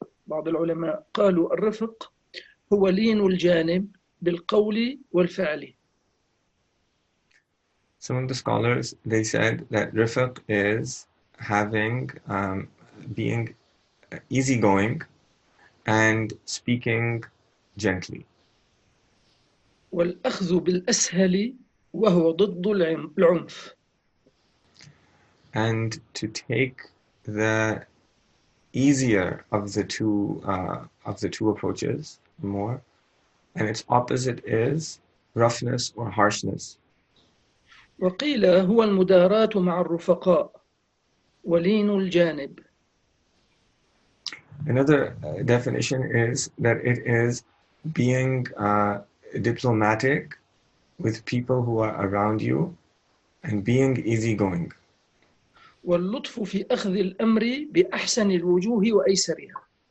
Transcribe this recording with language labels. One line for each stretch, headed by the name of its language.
Arabic: بعض العلماء قالوا الرفق هو لين الجانب بالقول والفعل.
English: Some of the scholars, they said that rifq is having, being easygoing and speaking gently.
Arabic: والأخذ بالأسهل وهو ضد العنف.
English: And to take the easier of the two approaches more, and its opposite is roughness or harshness.
Arabic: وقيل هو المداراة مع الرفقاء ولين الجانب.
English: Another definition is that it is being diplomatic with people who are around you and being easygoing.
Arabic: واللطف في أخذ الأمر بأحسن الوجوه وأيسرها.